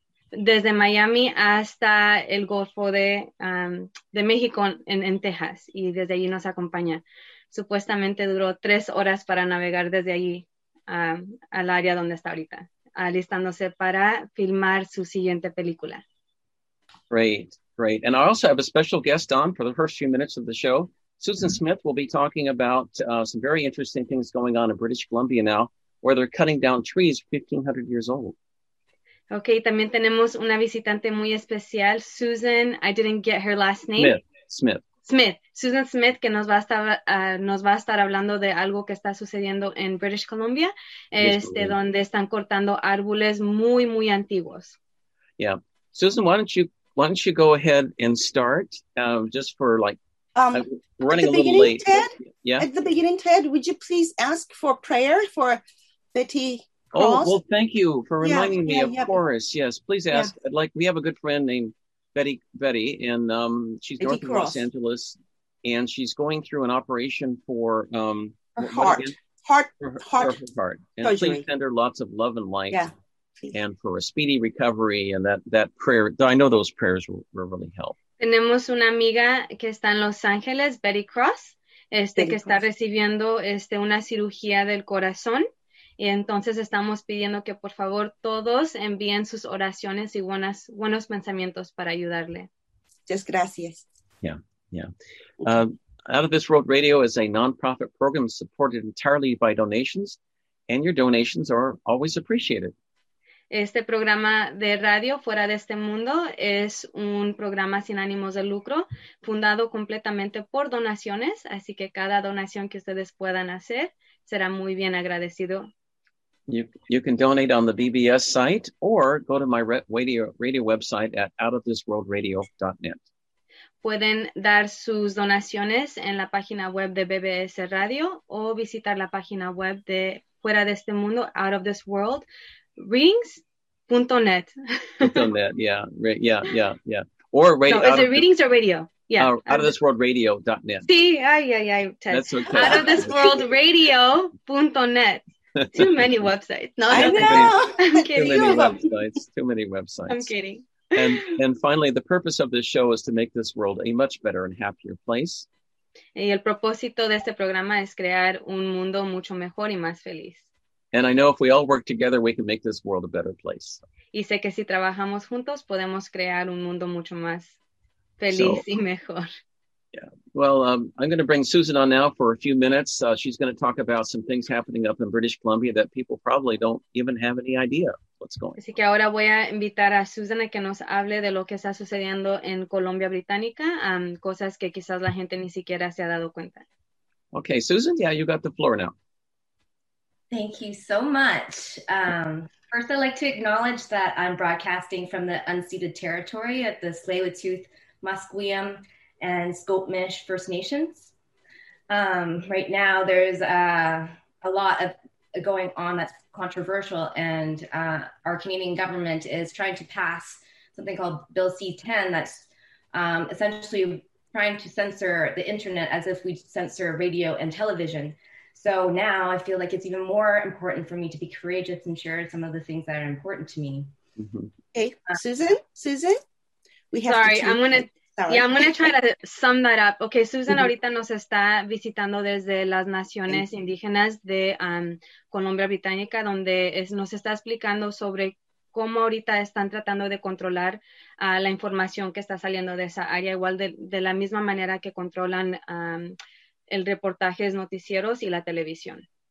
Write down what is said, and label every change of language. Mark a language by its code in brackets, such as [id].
[es] Desde Miami hasta el Golfo de México en Texas, y desde allí nos acompaña. Supuestamente duró 3 horas para navegar desde allí al área donde está ahorita, alistándose para filmar su siguiente película. [en] Great. And I also have a special guest on for the first few minutes of the show. Susan Smith will be talking about some very interesting things going on in British Columbia now, where they're cutting down trees 1,500 years old. [es] Okay, también tenemos una visitante muy especial, Susan, [en] I didn't get her last name. Smith. [es] Susan Smith, que nos va a estar hablando de algo que está sucediendo en British Columbia, donde están cortando árboles muy, muy antiguos. [en] Yeah. Susan, why don't you go ahead and start, just for like, running a little late. Ted, at the beginning, Ted, would you please ask for prayer for Betty? Oh, well, thank you for reminding me, of course. Yes, please ask. Yeah. I'd like, we have a good friend named Betty, and she's Betty north of Los Angeles, and she's going through an operation for her heart. And surgery. Please send her lots of love and light, yeah, and for a speedy recovery, and that prayer. I know those prayers will really help. [es] Tenemos una amiga que está en Los Ángeles, Betty Cross, que está recibiendo una cirugía del corazón. Y entonces estamos pidiendo que por favor todos envíen sus oraciones y buenos pensamientos para ayudarle. Muchas gracias. [en] Yeah. Okay. Out of This World Radio is a non-profit program supported entirely by donations, and your donations are always appreciated. [es] Este programa de radio Fuera de Este Mundo es un programa sin ánimos de lucro, fundado completamente por donaciones, así que cada donación que ustedes puedan hacer será muy bien agradecido. [en] You can donate on the BBS site or go to my radio website at outofthisworldradio.net. [es] Pueden dar sus donaciones en la página web de BBS Radio o visitar la página web de Fuera de Este Mundo, outofthisworldrings.net. [en] yeah. Or radio. No, is it readings or radio? Yeah, outofthisworldradio.net. [es] Sí, ay, Ted. [en] That's okay. Outofthisworldradio.net. Too many websites. No, I know. Too many websites. I'm kidding. And finally, the purpose of this show is to make this world a much better and happier place. [es] Y el propósito de este programa es crear un mundo mucho mejor y más feliz. [en] And I know if we all work together, we can make this world a better place. [es] Y sé que si trabajamos juntos, podemos crear un mundo mucho más feliz y mejor. [en] Yeah. Well, I'm going to bring Susan on now for a few minutes. She's going to talk about some things happening up in British Columbia that people probably don't even have any idea what's going on. [es] Así que ahora voy a invitar a Susan a que nos hable de lo que está sucediendo en Colombia Británica, cosas que quizás la gente ni siquiera se ha dado cuenta. [en] Okay, Susan, yeah, you got the floor now. Thank you so much. First, I'd like to acknowledge that I'm broadcasting from the unceded territory at the Tsleil-Waututh, Musqueam, and Skokmish First Nations. Right now, there's a lot of going on that's controversial, and our Canadian government is trying to pass something called Bill C-10 that's essentially trying to censor the internet as if we censor radio and television. So now I feel like it's even more important for me to be courageous and share some of the things that are important to me. Okay, Susan, we have I'm gonna try to sum that up. [es] Okay, Susan ahorita nos está visitando desde las naciones indígenas de Colombia Británica, donde nos está explicando sobre cómo ahorita están tratando de controlar la información que está saliendo de esa área, igual de la misma manera que controlan el reportaje, noticieros y la televisión.